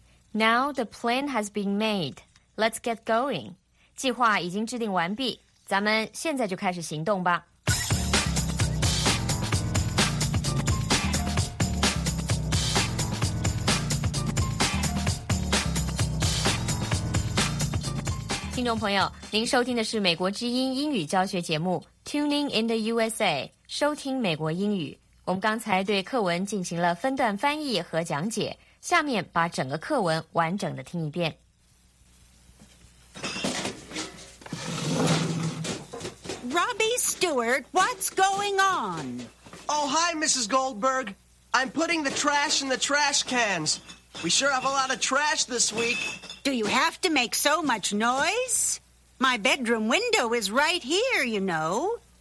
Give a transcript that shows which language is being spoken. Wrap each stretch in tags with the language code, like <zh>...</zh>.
<en>Now the plan has been made. Let's get going.</en> <zh>计划已经制定完毕，咱们现在就开始行动吧。听众朋友，您收听的是美国之音英语教学节目 Tuning in the USA， 收听美国英语。我们刚才对课文进行了分段翻译和讲解，下面把整个课文完整的听一遍。</zh> <en>Robbie Stewart, what's going on? Oh, hi, Mrs. Goldberg. I'm putting the trash in the trash cans. We sure have a lot of trash this week. Do you have to make so much noise? My bedroom window is right here, you know.</en>